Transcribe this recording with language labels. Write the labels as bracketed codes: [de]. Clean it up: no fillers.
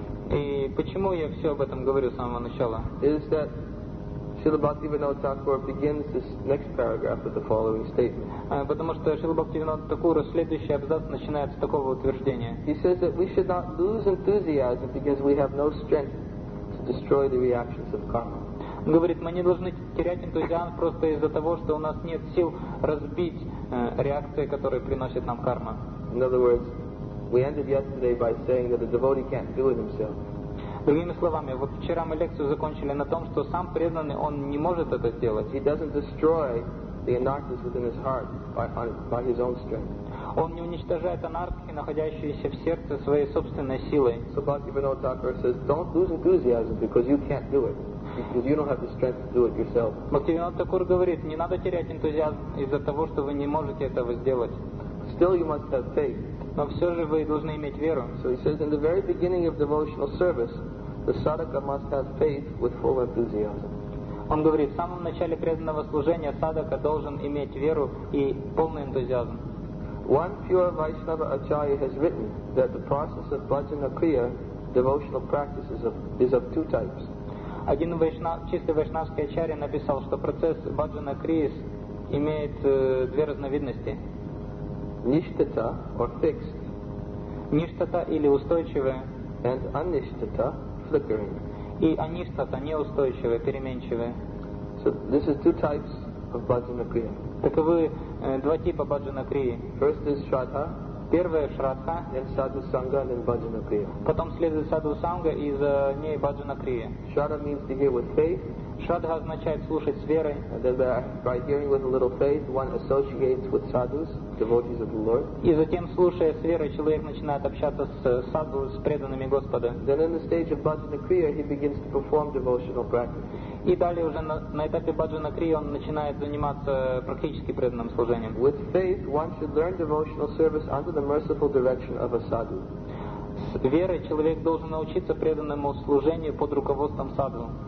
[ru] И почему я все об этом говорю с самого начала? [en] Is that Srila Bhaktivinoda Thakur begins this next paragraph with the following statement. [ru] Потому что Шрила Бхактивинода Такура следующий абзац начинает с такого утверждения. [en] He says that we should not lose enthusiasm because we have no strength to destroy the reactions of karma. [ru] Он говорит, мы не должны терять энтузиазм просто из-за того, что у нас нет сил разбить реакции, которые приносит нам карма. [en] In other words, we ended yesterday by saying that a devotee can't do it himself. [ru] Другими словами, вот вчера мы лекцию закончили на том, что сам преданный, он не может это сделать. [en] He doesn't destroy the anarthas within his heart by his own strength. [ru] Он не уничтожает анархи, находящиеся в сердце своей собственной силой. [en] So Bhaktivinoda Thakur says, don't lose enthusiasm because you can't do it. Because you don't have the strength to do it yourself. [ru] Бхактивинода Такур говорит, не надо терять энтузиазм из-за того, что вы не можете этого сделать. [en] Still you must have faith. [ru] Но все же вы должны иметь веру. [en] So he says, in the very beginning of devotional service, the sadhaka must have faith with full enthusiasm. [ru] Он говорит, в самом начале преданного служения садака должен иметь веру и полный энтузиазм. [en] One pure Vaishnava Acharya has written that the process of bhajana kriya, devotional practice, is of two types. [ru] Один чистый вайшнавский ачарья написал, что процесс бхаджана крии имеет две разновидности. [en] Ништата, or fixed. [ru] Ништата или устойчивая. [en] And аништата, flickering. [ru] И аништата, неустойчивая, переменчивая. [en] So this is two types of bhajana kriya. [ru] Таковы два типа bhajana kriya. [en] First is shraddha. [ru] Первая шрадха. [en] Then sadhu sangha, then bhajana kriya. [ru] Потом следует sadhu sangha и за ней bhajana kriya. [en] Shraddha means to hear with faith. [ru] Shraddha означает слушать с верой. [en] And then by hearing with a little faith, one associates with sadhus. Devotees of the Lord. [ru] И затем, слушая с верой, человек начинает общаться с садху, с преданными Господа. [en] Then in the stage of bhajana kriya, he begins to perform devotional practice. [ru] И далее уже на этапе bhajana kriya он начинает заниматься практически преданным служением. [en] With faith, one should learn devotional service under the merciful direction of a sadhu. [ru] С верой человек должен научиться преданному служению под руководством садху.